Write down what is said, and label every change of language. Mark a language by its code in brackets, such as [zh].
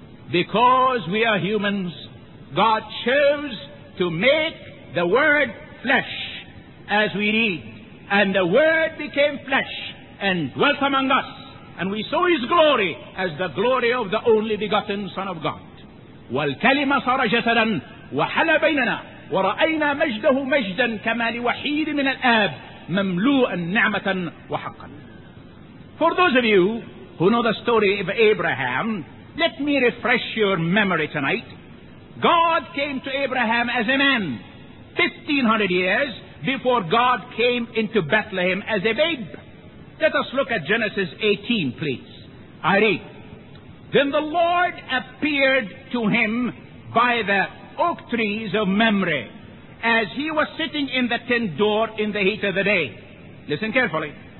[en] Because we are humans, God chose to make the Word flesh, as we read. And the Word became flesh and dwelt among us, and we saw his glory as the glory of the only begotten Son of God. [ar] والكلمة صار جسدا وحل بيننا ورأينا مجده مجدا كما لوحيد من الآب مملوءا نعمة وحقا. [en] For those of you who know the story of Abraham, let me refresh your memory tonight. God came to Abraham as a man 1500 years before God came into Bethlehem as a babe. Let us look at Genesis 18, please. I read, "Then the Lord appeared to him by the oak trees of Mamre, as he was sitting in the tent door in the heat of the day." Listen carefully.